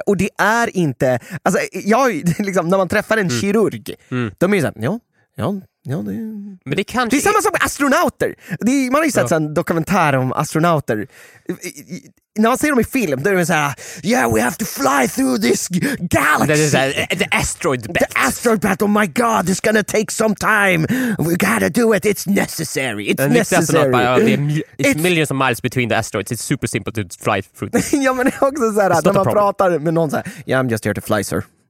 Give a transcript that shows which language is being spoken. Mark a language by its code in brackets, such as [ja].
[sv] Och det är inte... Alltså, liksom, när man träffar en kirurg, de är ju såhär, ja, det är... Men det kanske... Det är samma sak med astronauter. Det är, man har ju sett en dokumentär om astronauter. När man ser dem i film, då är det såhär, [en] yeah, we have to fly through this galaxy. [sv] Det är såhär, [en] the asteroid belt. The asteroid belt, oh my god, it's gonna take some time. We gotta do it, it's necessary. It's and necessary. It's, it's millions of miles between the asteroids. It's super simple to fly through this. [sv] Ja, men det är också såhär, när man pratar med någon såhär, [en] yeah, I'm just here to fly, sir.